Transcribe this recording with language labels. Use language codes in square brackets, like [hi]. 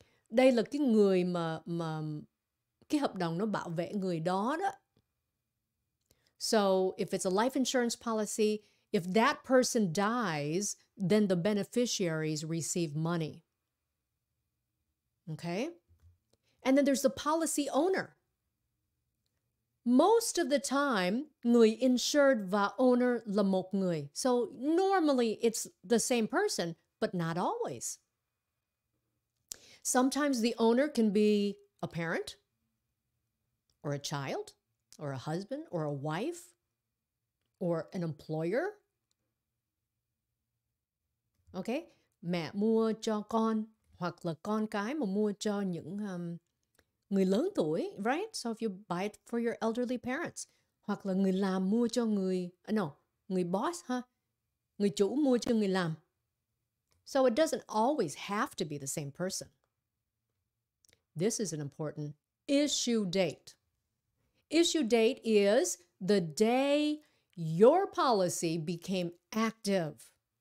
[vi] Đây là cái người mà cái hợp đồng nó bảo vệ người đó đó. [en] So if it's a life insurance policy, if that person dies, then the beneficiaries receive money. Okay? And then there's the policy owner. Most of the time, [vi] người insured và owner là một người. [en] So normally it's the same person, but not always. Sometimes the owner can be a parent or a child or a husband or a wife or an employer. Okay? [vi] Mẹ mua cho con hoặc là con cái mà mua cho những người lớn tuổi, right? [en] So if you buy it for your elderly parents, [vi] hoặc là người làm mua cho người boss, [en] huh? [vi] Người chủ mua cho người làm. [en] So it doesn't always have to be the same person. This is an important issue date. Issue date is the day your policy became active.